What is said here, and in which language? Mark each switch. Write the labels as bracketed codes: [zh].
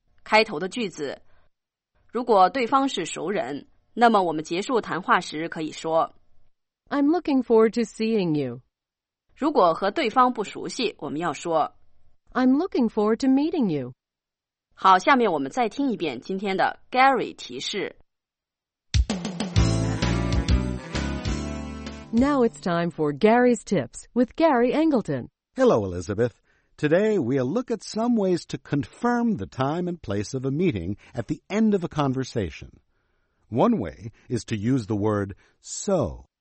[zh] 开头的句子，如果对方是熟人，那么我们结束谈话时可以说 [en] I'm looking forward to seeing you. [zh] 如果和对方不熟悉，我们要说 [en] I'm looking forward to meeting you. [zh] 好，下面我们再听一遍今天的 Gary 提示。 [en] Now it's time for Gary's Tips with Gary Angleton. Hello, Elizabeth. Today, we'll look at some ways to confirm the time and place of a meeting at the end of a conversation. One way is to use the word, so.